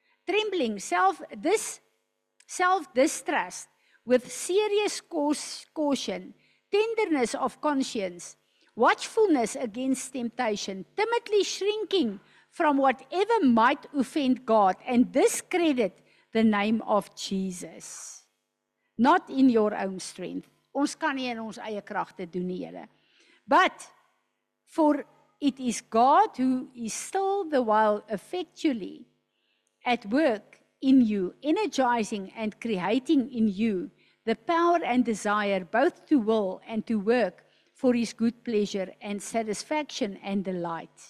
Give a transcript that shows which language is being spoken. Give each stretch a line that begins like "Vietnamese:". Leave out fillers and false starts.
English: trembling, self-distrust with serious caution, tenderness of conscience, watchfulness against temptation, timidly shrinking from whatever might offend God and discredit the name of Jesus. Not in your own strength.
Afrikaans: Ons kan nie in ons eie kragte doen nie, Here.
English: But for it is God who is still the while effectually at work in you, energizing and creating in you the power and desire both to will and to work for his good pleasure and satisfaction and delight.